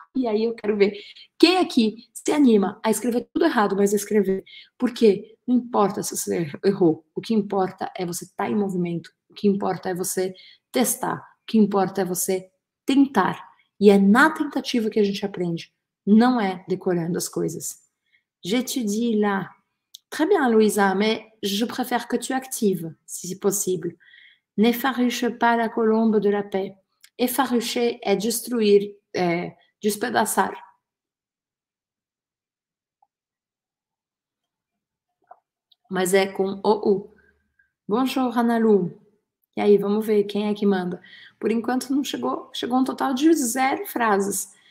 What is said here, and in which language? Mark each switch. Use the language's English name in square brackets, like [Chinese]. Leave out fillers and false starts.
[Portuguese] E aí eu quero ver quem aqui se anima a escrever tudo errado, mas a escrever. Porque não importa se você errou, o que importa é você estar em movimento, o que importa é você testar, o que importa é você tentar. E é na tentativa que a gente aprende, não é decorando as coisas. [French] Je te dis là. Très bien, Louisa, mais je préfère que tu actives, si c'est possible. N'effaruche pas la colombe de la paix. [Portuguese] Effaroucher é destruir, é despedaçar. Mas é com o. Bonjour, Hanalu. E aí, vamos ver quem é que manda. Por enquanto não chegou, chegou um total de zero frases.